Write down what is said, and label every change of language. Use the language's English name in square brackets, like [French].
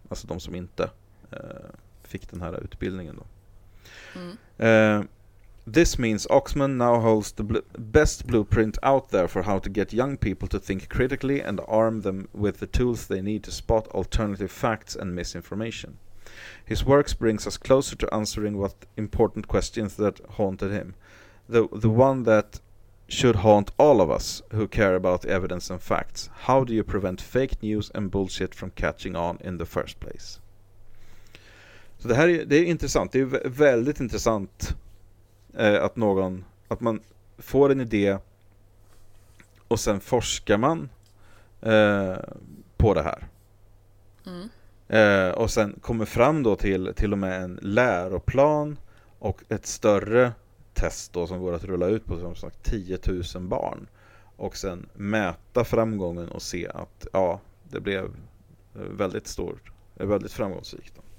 [Swedish] Alltså de som inte fick den här utbildningen då. Mm. [English] This means Oxman now holds the best blueprint out there for how to get young people to think critically and arm them with the tools they need to spot alternative facts and misinformation. His works brings us closer to answering what important questions that haunted him. The one that should haunt all of us who care about evidence and facts. How do you prevent fake news and bullshit from catching on in the first place? [Swedish] Så det här är, det är intressant. Det är väldigt intressant att någon, att man får en idé och sen forskar man på det här. Mm. Och sen kommer fram då till och med en läroplan och ett större test då som går att rulla ut på som sagt 10 000 barn och sen mäta framgången och se att ja, det blev väldigt stort, väldigt framgångsrikt.